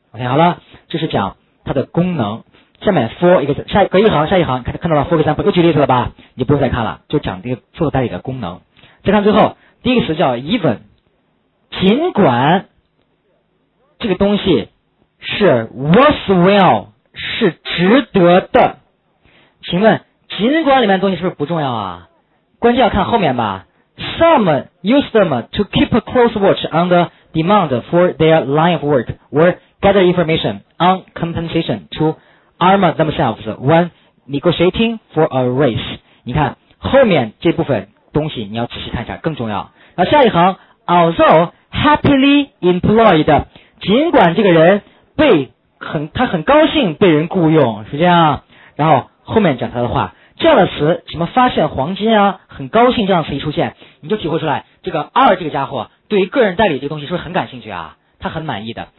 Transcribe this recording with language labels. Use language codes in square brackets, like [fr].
[zh] OK， 好了，这是讲它的功能。下面 for 一个字，下隔一行，下一行看到了 [en] for example， [zh] 又举例子了吧，你不用再看了，就讲这个搜索代理的功能。再看最后第一个词叫 even， 尽管这个东西是 worthwhile， 是值得的。请问尽管里面的东西是不是不重要啊？关键要看后面吧。 [en] Some use them to keep a close watch on the demand for their line of work or gather information on compensation toarmor themselves when negotiating for a race。 [zh] 你看后面这部分东西你要仔细看一下更重要。那下一行， [en] although happily employed， [zh] 尽管这个人被他很高兴被人雇佣，是这样。然后后面讲他的话，这样的词什么发现黄金啊，很高兴，这样的词一出现，你就体会出来这个二这个家伙对于个人代理这个东西是不是很感兴趣啊，他很满意的。